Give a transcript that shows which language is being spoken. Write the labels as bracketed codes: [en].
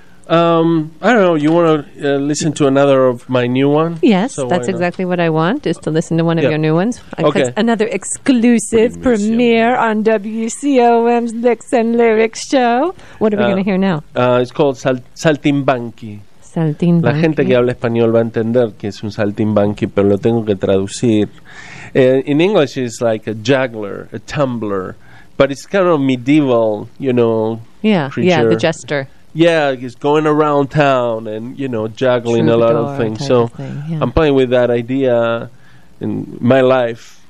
[en] I don't know. You want to listen to another of my new one? Yes, so that's exactly what I want, is to listen to one of your new ones. Okay. Another exclusive premiere on WCOM's Licks and Lyrics show. What are we going to hear now? It's called Saltimbanqui. Saltimbanqui. [es] La gente que habla español va a entender que es un saltimbanqui, pero lo tengo que traducir. [en] In English, it's like a juggler, a tumbler, but it's kind of medieval, you know, creature. Yeah, the jester. Yeah, he's going around town and, you know, juggling troubadour a lot of things. Type so of thing, yeah. I'm playing with that idea in my life.